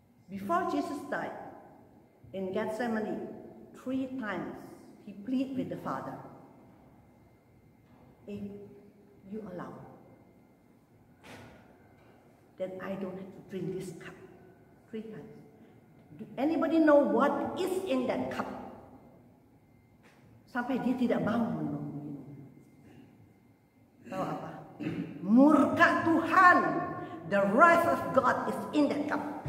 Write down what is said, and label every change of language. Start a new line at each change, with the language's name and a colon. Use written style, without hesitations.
English: Before Jesus died in Gethsemane, 3 times he plead with the Father, if you allow, then I don't have to drink this cup. 3 times. Do anybody know what is in that cup?
Indonesian: Sampai dia tidak mau minum. Tahu apa? Murka Tuhan.
English: The wrath of God is in that cup.